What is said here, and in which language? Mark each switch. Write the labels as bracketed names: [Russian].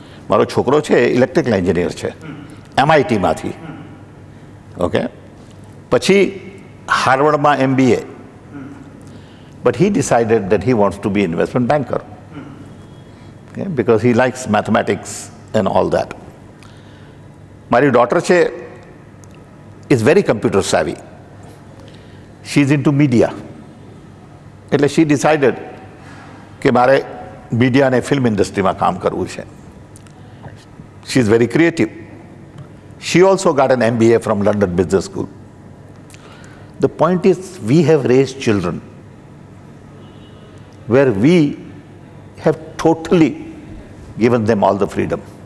[Gujarati] મારો છોકરો છે ઇલેક્ટ્રિકલ એન્જિનિયર છે MIT માંથી, ઓકે, પછી હાર્વર્ડમાં MBA, [English] But he decided that he wants to be investment banker. Okay, because he likes mathematics and all that. My daughter is very computer savvy. She's into media. [Gujarati] એટલે [English] she decided [Gujarati] કે મારે media અને film ઇન્ડસ્ટ્રીમાં કામ કરવું છે. [English] She is very creative. She also got an MBA from London business school. The point is we have raise children where we have totally given them all the freedom.